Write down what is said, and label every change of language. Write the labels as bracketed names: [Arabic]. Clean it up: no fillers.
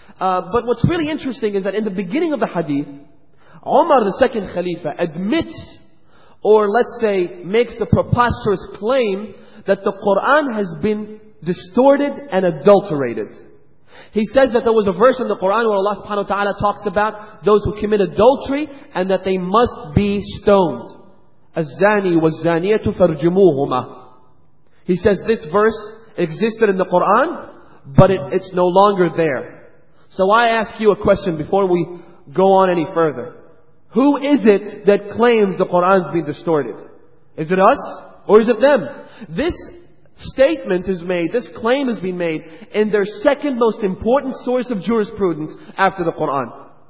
[English] But what's really interesting is that in the beginning of the hadith, Umar the second Khalifa admits, or let's say, makes the preposterous claim that the Qur'an has been distorted and adulterated. He says that there was a verse in the Qur'an where Allah subhanahu wa ta'ala talks about those who commit adultery and that they must be stoned. [Arabic] الزاني والزانية فرجموهما. [English] He says this verse existed in the Qur'an, but it's no longer there. So I ask you a question before we go on any further. Who is it that claims the Quran's been distorted? Is it us or is it them? This statement is made, this claim has been made in their second most important source of jurisprudence after the Quran.